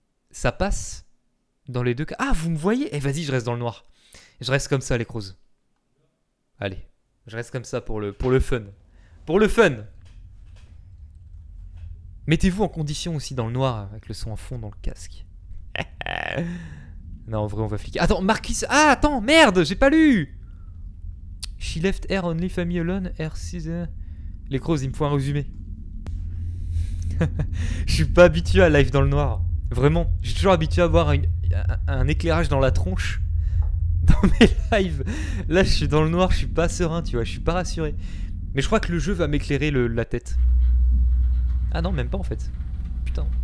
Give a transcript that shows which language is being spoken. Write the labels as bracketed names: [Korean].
[French] Ça passe dans les deux cas. Ah, vous me voyez? Eh, vas-y, je reste dans le noir. Je reste comme ça, les crozes. Allez. Je reste comme ça pour le fun. Pour le fun! Mettez-vous en condition aussi dans le noir, avec le son à fond dans le casque. Non, en vrai, on va fliquer. Attends, Marquis... Ah, attends, merde, j'ai pas lu! [English] She left her only family alone, R6... [French] Les crozes, il me faut un résumé. Je suis pas habitué à live dans le noir. Vraiment, je suis toujours habitué à voir un éclairage dans la tronche. Dans mes lives, là je suis dans le noir, je suis pas serein, tu vois, je suis pas rassuré. Mais je crois que le jeu va m'éclairer la tête. Ah non, même pas en fait. Putain.